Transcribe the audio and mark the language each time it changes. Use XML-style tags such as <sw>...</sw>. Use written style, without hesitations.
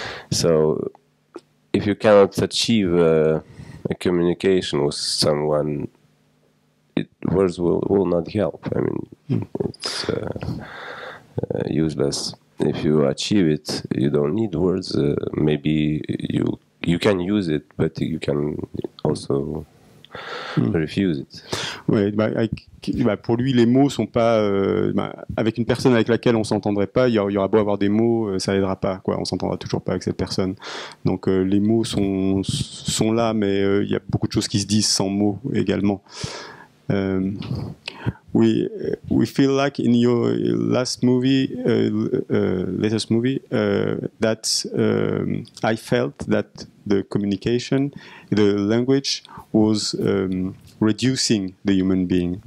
<en>So if you cannot achieve a communication with someone, words will not help. I mean, it's... useless. If you achieve it, you don't need words. Maybe you can use it, but you can also refuse it.</en> <fr>Ouais, pour lui, les mots sont pas avec une personne avec laquelle on s'entendrait pas. Il y aura beau avoir des mots, ça aidera pas. Quoi, on s'entendra toujours pas avec cette personne. Donc les mots sont là, mais il y a beaucoup de choses qui se disent sans mots également.</fr> <en>We feel like in your last movie, latest movie, that I felt that the communication, the language was reducing the human being.</en>